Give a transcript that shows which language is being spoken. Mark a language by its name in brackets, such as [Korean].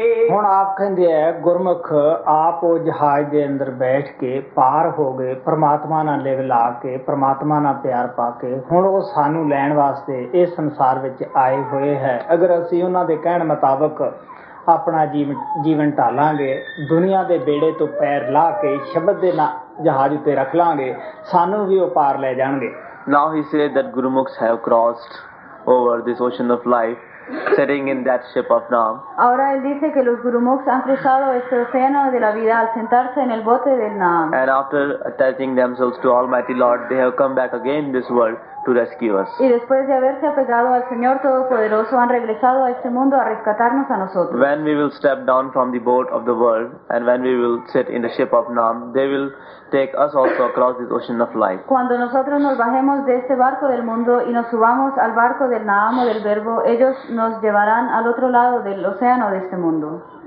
[Punjabi] ਹੁਣ ਆਪ ਕਹਿੰਦੇ ਹੈ ਗੁਰਮੁਖ ਆਪ ਉਹ ਜਹਾਜ਼ ਦੇ ਅੰਦਰ ਬੈਠ ਕੇ ਪਾਰ ਹੋ ਗਏ, ਪਰਮਾਤਮਾ ਨਾਲ ਲਿਵ ਲਾ ਕੇ, ਪਰਮਾਤਮਾ ਨਾਲ ਪਿਆਰ ਪਾ ਕੇ ਹੁਣ ਉਹ ਸਾਨੂੰ ਲੈਣ ਵਾਸਤੇ ਇਸ ਸੰਸਾਰ ਵਿੱਚ ਆਏ ਹੋਏ ਹੈ। ਅਗਰ ਅਸੀਂ ਉਹਨਾਂ ਦੇ ਕਹਿਣ ਮੁਤਾਬਕ ਆਪਣਾ ਜੀਵਨ ਢਾਲਾਂਗੇ, ਦੁਨੀਆਂ ਦੇ ਬੇੜੇ ਤੋਂ ਪੈਰ ਲਾ ਕੇ ਸ਼ਬਦ ਦੇ ਨਾਲ ਜਹਾਜ਼ ਉੱਤੇ ਰੱਖ ਲਾਂਗੇ, ਸਾਨੂੰ ਵੀ ਉਹ ਪਾਰ ਲੈ ਜਾਣਗੇ। [English] Now he said that Gurumukhs have crossed over this ocean of life, sitting in that ship of Nam. [Spanish] Ahora él dice que los Gurumukhs han cruzado este océano de la vida al sentarse en el bote del Nam. [English] And after attaching themselves to Almighty Lord, they have come back again in this world to rescue us. [Spanish] Y después de haberse apegado al Señor Todopoderoso, han regresado a este mundo a rescatarnos a nosotros. [English] When we will step down from the boat of the world and when we will sit in the ship of Nam, they will take us also across this ocean of life. [Spanish] Cuando nosotros nos bajemos de este barco del mundo y nos subamos al barco del Naam o del Verbo, ellos nos llevarán al otro lado del océano de este mundo.